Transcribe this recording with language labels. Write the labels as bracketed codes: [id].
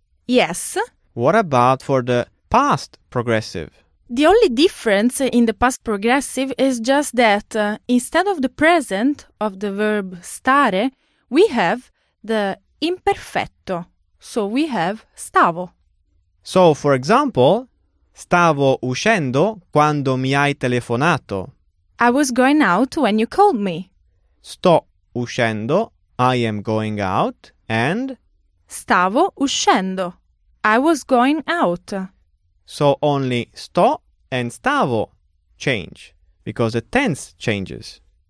[en] Yes. What about for the past progressive? The only difference in the past progressive is just that instead of the present of the verb stare, we have the imperfetto. So we have stavo. So, for example, [it] stavo uscendo quando mi hai telefonato. [en] I was going out when you called me. [it] Sto uscendo, [en] I am going out, and? [it] Stavo uscendo, [en] I was going out. So only sto and stavo change, because the tense changes.